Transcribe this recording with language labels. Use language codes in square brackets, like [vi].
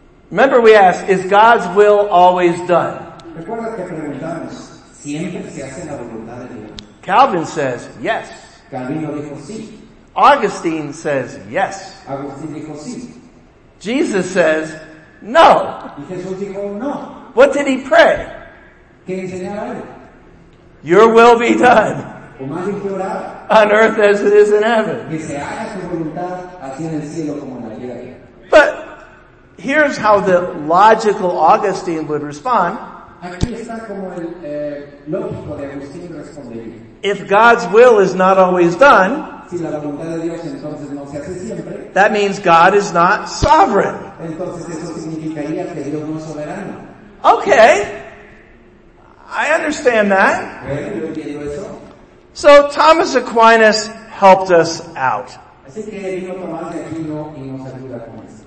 [en] Remember we asked, is God's will always done? [es] Recuerda que preguntamos, ¿siempre se hace la voluntad de Dios? [en] Calvin says, yes. [es] Calvino dijo, sí. [en] Augustine says, yes. [es] Agustín dijo, sí. [en] Jesus says, no. [es] Y Jesús dijo, no. [en] What did he pray? [es] ¿Qué enseñaba él? [en] Your will be done. [es] O más bien que orar, [en] on earth as it is in heaven. [es] Que se haga su voluntad así en el cielo como en la tierra. [en] But here's how the logical Augustine would respond. [es] Aquí está como el, lógico de Agustín respondería. [en] If God's will is not always done, [es] si la voluntad de Dios, entonces, no se hace siempre, [en] that means God is not sovereign. [es] Entonces, eso significaría que Dios no es soberano. [en] Okay, I understand that. [es] Bueno, yo entiendo eso. [en] So Thomas Aquinas helped us out. [es] Así que vino Tomás de Aquino y nos ayuda con eso.